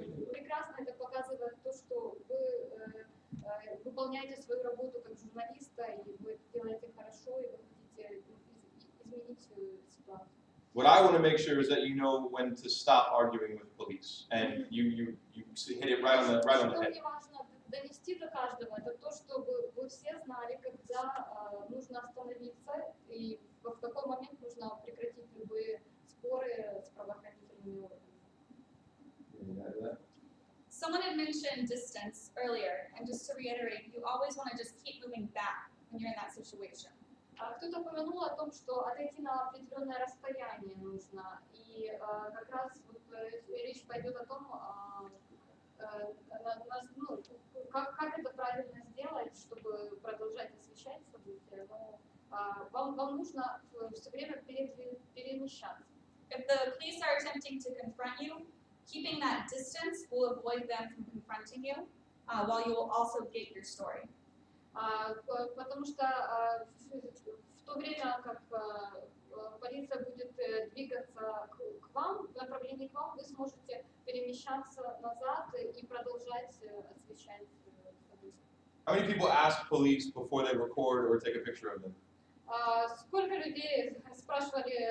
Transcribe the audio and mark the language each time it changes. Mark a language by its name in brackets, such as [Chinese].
[Russian] прекрасно это показывает то, что вы выполняете свою работу как журналиста и вы делаете хорошо и вы хотите изменить ситуацию. [English] What I want to make sure is that you know when to stop arguing with police, and you hit it right on the head. [Russian] Что важно донести до каждого, это то, чтобы вы все знали, когда нужно остановиться и в какой момент нужно прекратить любые споры с правоохранителями. [English] Someone had mentioned distance earlier, and just to reiterate, you always want to just keep moving back when you're in that situation. [Russian] Кто-то упомянул о том, что отойти на определенное расстояние нужно, и как раз речь пойдет о том, как это правильно сделать, чтобы продолжать освещать события, но вам нужно все время перемещаться. [English] If the police are attempting to confront you, keeping that distance will avoid them from confronting you, while you will also get your story. [Russian] Потому что в то время, как полиция будет двигаться к вам, в направлении к вам, вы сможете перемещаться назад и продолжать освещать события. [English] How many people ask police before they record or take a picture of them? [Russian] Сколько людей спрашивали